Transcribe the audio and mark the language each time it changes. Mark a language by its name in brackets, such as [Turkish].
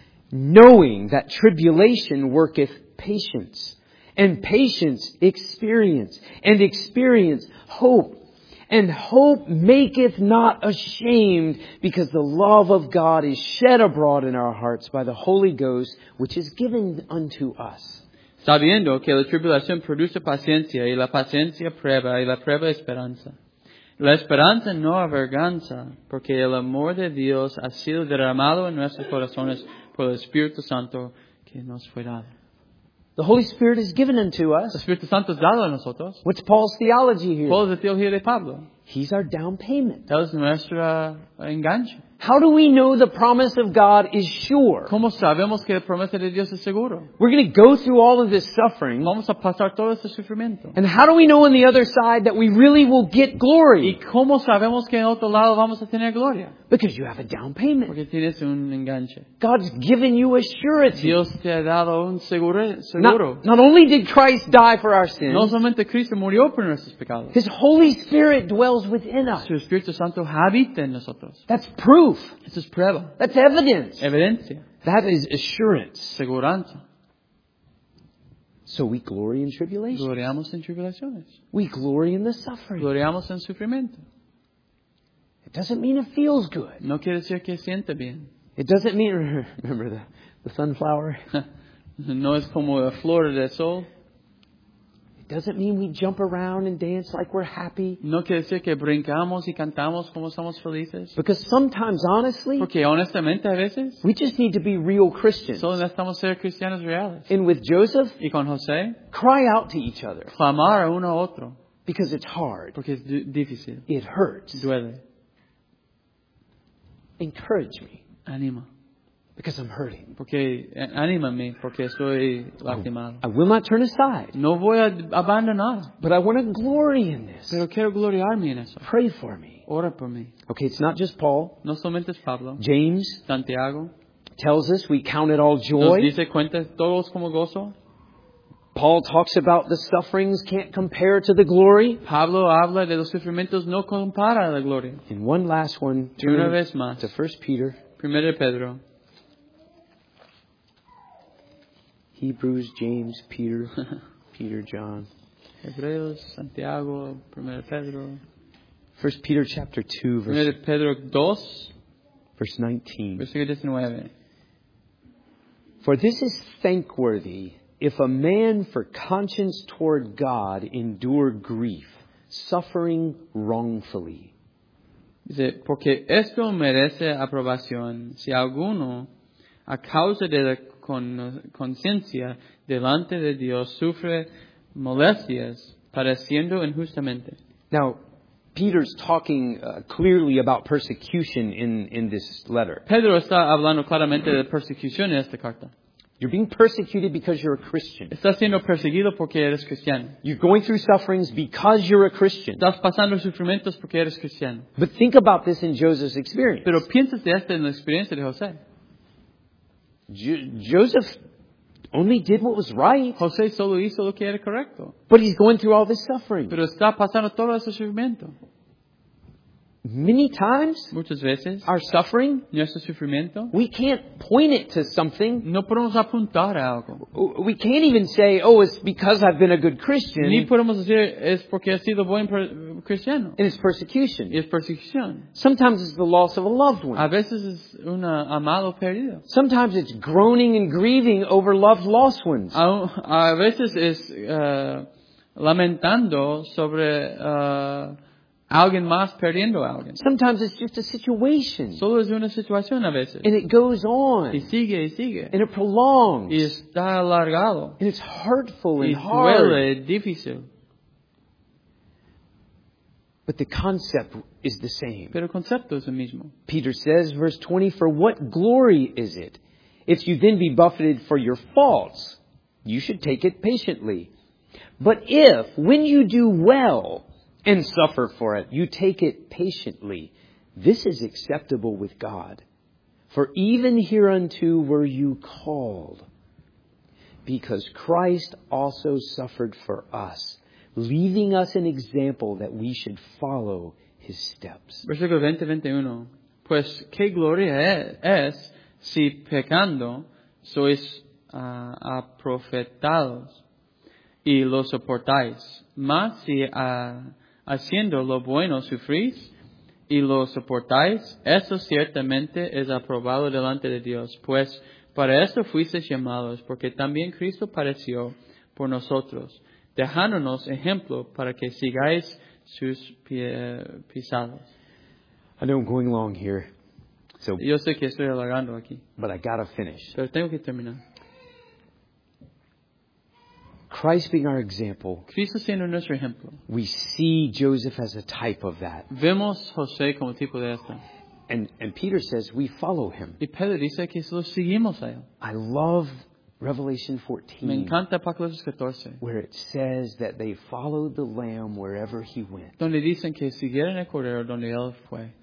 [English] Knowing that tribulation worketh patience. And patience, experience. And experience, hope. And hope maketh not ashamed, because the love of God is shed abroad in our hearts by the Holy Ghost, which is given unto us. [Spanish] Sabiendo que la tribulación produce paciencia, y la paciencia prueba, y la prueba esperanza. La esperanza no avergüenza, porque el amor de Dios ha sido derramado en nuestros corazones por el Espíritu Santo que nos fue dado. [English] The Holy Spirit is given unto us. [Spanish] El Espíritu Santo es dado a nosotros. [English] What's Paul's theology here? [Spanish] ¿Cuál es la teología de Pablo? [English] He's our down payment. [Spanish] Él es nuestro enganche. [English] How do we know the promise of God is sure? [Spanish] ¿Cómo sabemos que la promesa de Dios es seguro? [English] We're going to go through all of this suffering. [Spanish] Vamos a pasar todo este sufrimiento. [English] And how do we know on the other side that we really will get glory? [Spanish] ¿Y cómo sabemos que en otro lado vamos a tener gloria? [English] Because you have a down payment. [Spanish] Porque tienes un enganche. [English] God's given you a surety. [Spanish] Dios te ha dado un seguro. [English] Not only did Christ die for our sins. [Spanish] No solamente Cristo murió por nuestros pecados. [English] His Holy Spirit dwells within us. [Spanish] Su Espíritu Santo habita en nosotros. [English] That's proof. This is prueba. That's evidence. [Spanish] Evidencia. [English] That is assurance. [Spanish] Seguranza. [English] So we glory in tribulation. [Spanish] Gloriamos en tribulaciones. [English] We glory in the suffering. [Spanish] Gloriamos en sufrimiento. [English] It doesn't mean it feels good. [Spanish] No quiere decir que sienta bien. [English] It doesn't mean, remember the sunflower? [Spanish] No es como la flor de sol. [English] Doesn't mean we jump around and dance like we're happy. [Spanish] No quiere decir que brincamos y cantamos como somos felices. [English] Because sometimes, honestly, [Spanish] porque honestamente a veces, [English] we just need to be real Christians. [Spanish] Solo necesitamos ser cristianos reales. [English] And with Joseph, [Spanish] y con José, [English] cry out to each other. [Spanish] Clamar a uno a otro. [English] Because it's hard. [Spanish] Porque es difícil. [English] It hurts. [Spanish] Duele. [English] Encourage me. [Spanish] Anima. [English] Because I'm hurting. [Spanish] Porque anímame, porque estoy lastimado. [English] I will not turn aside. [Spanish] No voy a abandonar. [English] But I want to glory in this. [Spanish] Pero quiero gloriarme en eso. [English] Pray for me. [Spanish] Ora por mí. [English] Okay, it's not just Paul. [Spanish] No solamente es Pablo. [English] James. [Spanish] Santiago. [English] Tells us we count it all joy. [Spanish] Nos dice cuenta todos como gozo. [English] Paul talks about the sufferings can't compare to the glory. [Spanish] Pablo habla de los sufrimientos no compara a la gloria. [English] And one last one. [Spanish] Una vez más. [English] To 1 Peter. [Spanish] Primero Pedro. [English] Hebrews, James, Peter, Peter, John. [Spanish] Hebreos, Santiago, Primera Pedro. [English] 1 Peter chapter 2, verse [Spanish] 19. Primera Pedro 2, [English] verse 19. [Spanish] Versículo 19. [English] For this is thankworthy, if a man for conscience toward God endure grief, suffering wrongfully. [Spanish] Dice, porque esto merece aprobación, si alguno, a causa de la conciencia delante de Dios sufre molestias padeciendo injustamente. [English] Now, Peter's talking clearly about persecution in this letter. [Spanish] Pedro está hablando claramente de persecución en esta carta. [English] You're being persecuted because you're a Christian. [Spanish] Estás siendo perseguido porque eres cristiano. [English] You're going through sufferings because you're a Christian. [Spanish] Estás pasando sufrimientos porque eres cristiano. [English] But think about this in Joseph's experience. [Spanish] Pero piensas de esto en la experiencia de José. [English] Joseph only did what was right. [Spanish] José solo hizo lo que era correcto. [English] But he's going through all this suffering. [Spanish] Pero está pasando todo ese sufrimiento. [English] many times, [Spanish] muchas veces, [English] our suffering, [Spanish] nuestro sufrimiento, [English] we can't point it to something. [Spanish] No podemos apuntar a algo. [English] We can't even say, oh, it's because I've been a good Christian. [Spanish] Ni podemos decir, es porque he sido buen cristiano. [English] And it's persecution. [Spanish] Y es persecución. [English] Sometimes it's the loss of a loved one. [Spanish] A veces es una amado perdido. [English] Sometimes it's groaning and grieving over loved lost ones. [Spanish] A veces es lamentando sobre alguien más perdiendo a alguien. [English] Sometimes it's just a situation. [Spanish] Solo es una situación a veces. [English] And it goes on. [Spanish] Y sigue y sigue. [English] And it prolongs. [Spanish] Y está alargado. [English] And it's hurtful [Spanish] y [English] and [Spanish] duele, [English] hard. [Spanish] Duele, difícil. [English] But the concept is the same. [Spanish] Pero el concepto es el mismo. [English] Peter says, verse 20, for what glory is it if you then be buffeted for your faults? You should take it patiently. But if, when you do well and suffer for it, you take it patiently, this is acceptable with God. For even hereunto were you called, because Christ also suffered for us, leaving us an example that we should follow his steps. [Spanish] Versículo 20-21. Pues, ¿qué gloria es si pecando sois aprofetados y lo soportáis? Mas si haciendo lo bueno sufrís y lo soportáis, eso ciertamente es aprobado delante de Dios. Pues para esto fuisteis llamados, porque también Cristo padeció por nosotros, dejándonos ejemplo para que sigáis sus pisadas. [English] I know I'm going long here. So, [Spanish] yo sé que estoy alargando aquí. [English] But I gotta finish. [Spanish] Pero tengo que terminar. [English] Christ being our example. [Spanish] Cristo siendo nuestro ejemplo. [English] We see Joseph as a type of that. [Spanish] Vemos José como tipo de esto. [English] And Peter says we follow him. [Spanish] Y Pedro dice que lo seguimos a él. [English] I love Revelation 14. [Spanish] Me encanta Apocalipsis 14. [English] Where it says that they followed the Lamb wherever he went. [Spanish] Donde dicen que siguieron el Cordero donde él fue.